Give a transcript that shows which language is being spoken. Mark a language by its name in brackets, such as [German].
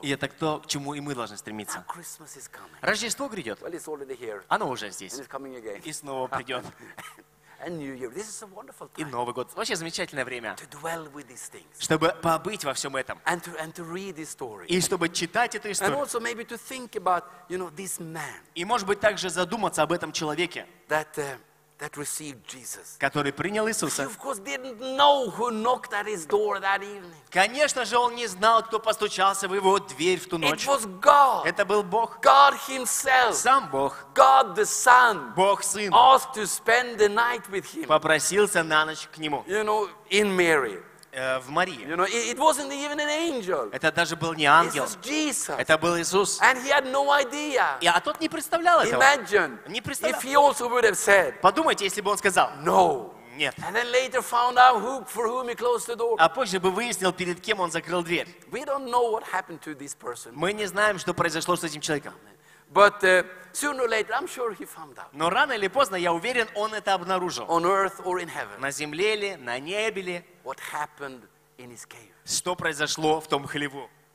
[Russian] И это то, к чему и мы должны стремиться. [English] Now Christmas is coming. [Russian] Рождество грядет. [English] Well, it's already here. [Russian] Оно уже здесь. [English] And it's coming again. [Russian] И снова придет. [English] And New Year. This is a wonderful time. [Russian] И Новый год. Вообще замечательное время, [English] to dwell with these things. [Russian] Чтобы побыть во всем этом. [English] And to read this story. [Russian] И чтобы читать эту историю. [English] And also maybe to think about, you know, this man. [Russian] И, может быть, также задуматься об этом человеке, [English] that, that received Jesus. [Russian] Который принял Иисуса. [English] He of course didn't know who knocked at his door that evening. [Russian] Конечно же, он не знал, кто постучался в его дверь в ту ночь. [English] It was God. [Russian] Это был Бог. [English] God himself. [Russian] Сам Бог. [English] God the Son. [Russian] Бог Сын. [English] Asked to spend the night with him. [Russian] Попросился на ночь к нему. [English] You know, in Mary. [Russian] В Марии. [English] You know, it wasn't even an angel. [Russian] Это даже был не ангел. [English] It was Jesus. [Russian] Это был Иисус. [English] And he had no idea. [Russian] И, а тот не представлял этого. [English] Imagine, [Russian] не представлял. [English] If he also would have said, [Russian] подумайте, если бы он сказал [English] no. [Russian] Нет. [English] And then later found out who, for whom he closed the door. [Russian] А позже бы выяснил, перед кем он закрыл дверь. [English] We don't know what happened to this person. [Russian] Мы не знаем, что произошло с этим человеком. [English] But sooner or later, I'm sure he found out. [Russian] Но рано или поздно, я уверен, он это обнаружил. [English] On earth or in heaven. [Russian] На земле ли, на небе ли. [English] What happened in his cave? [Russian] Что произошло в том хлеву?